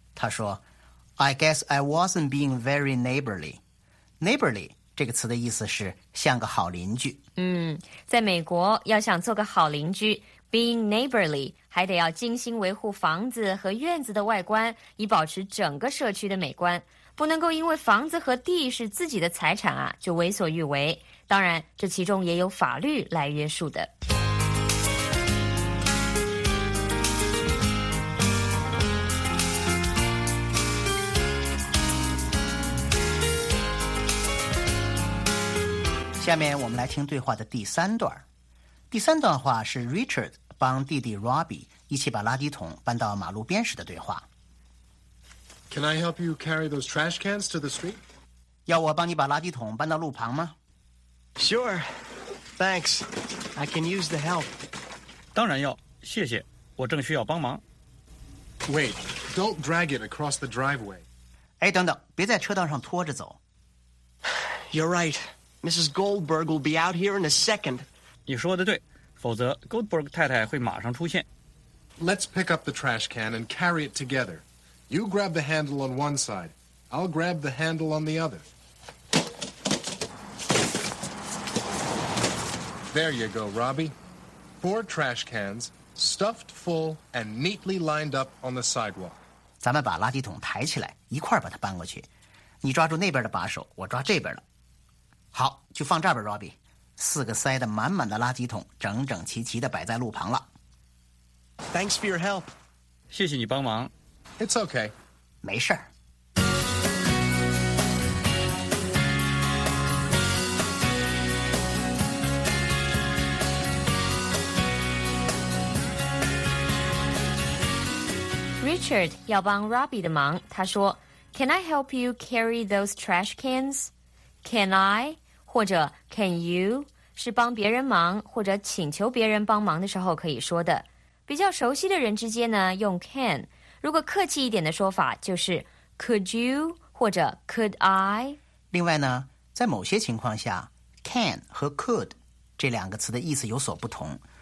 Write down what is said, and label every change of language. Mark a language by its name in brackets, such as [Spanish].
[Chinese] 他说 [English] I guess I wasn't being very neighborly. [Chinese] Neighborly 这个词的意思是像个好邻居。嗯，在美国要想做个好邻居， [English] being neighborly [Chinese] 还得要精心维护房子和院子的外观，以保持整个社区的美观。不能够因为房子和地是自己的财产啊，就为所欲为。当然，这其中也有法律来约束的。下面我们来听对话的第三段。第三段话是 Richard 帮弟弟 Robbie 一起把垃圾桶搬到马路边时的对话。 [English] Can I help you carry those trash cans to the street? [Chinese] 要我帮你把垃圾桶搬到路旁吗？ [English] Sure. Thanks. I can use the help. [Chinese] 当然要，谢谢，我正需要帮忙。 [English] Wait, don't drag it across the driveway. [Chinese] 哎，等等，别在车道上拖着走。 [English] You're right. Mrs. Goldberg will be out here in a second. [Chinese] 你说的对，否则 Goldberg 太太会马上出现。 [English] Let's pick up the trash can and carry it together. You grab the handle on one side. I'll grab the handle on the other. There you go, Robbie. 4 trash cans, stuffed full and neatly lined up on the sidewalk. [Chinese] 咱们把垃圾桶抬起来，一块把它搬过去。你抓住那边的把手，我抓这边的。好，就放这儿吧 ，Robbie。四个塞得满满的垃圾桶，整整齐齐地摆在路旁了。 [English] Thanks for your help。 [Chinese] 谢谢你帮忙。 [English] It's okay。 [Chinese] 没事儿。 Richard 要帮 Robbie 的忙，他说 [English] ：“Can I help you carry those trash cans? Can I?” [Chinese] 或者 [English] can you [Chinese] 是帮别人忙或者请求别人帮忙的时候可以说的。比较熟悉的人之间呢，用 can。如果客气一点的说法，就是 [English] could you [Chinese] 或者 [English] could I。 [Chinese] 另外呢，在某些情况下 ，can 和 could 这两个词的意思有所不同。